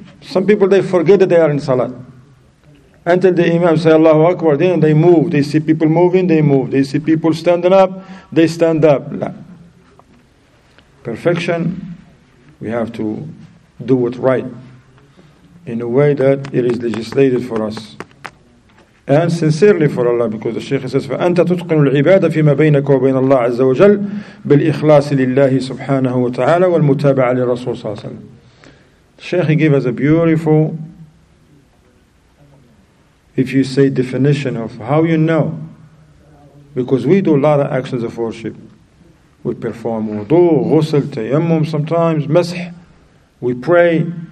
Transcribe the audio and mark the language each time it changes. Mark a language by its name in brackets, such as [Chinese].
[English] Some people, they forget that they are in salat. Until the imam say Allahu Akbar, then they move. They see people moving, they move. They see people standing up, they stand up. Perfection, we have to do it right in a way that it is legislated for us. And sincerely for Allah, because the Shaykh says, [Arabic] فَأَنْتَ تُتْقِنُ الْعِبَادَ فِي مَا بَيْنَكَ وَبَيْنَ اللَّهِ عَزَّ وَجَلْ بِالْإِخْلَاصِ لِلَّهِ سُبْحَانَهُ وَتَعَالَى وَالْمُتَابَعَ لِلرَّسُولِ صَلَّى اللَّهُ عَلَيْهِ وَسَلَّمَ. [English] The Shaykh gave us a beautiful, if you say, definition of how you know. Because we do a lot of actions of worship. We perform wudu, ghusl, tayammum sometimes, masih. We pray.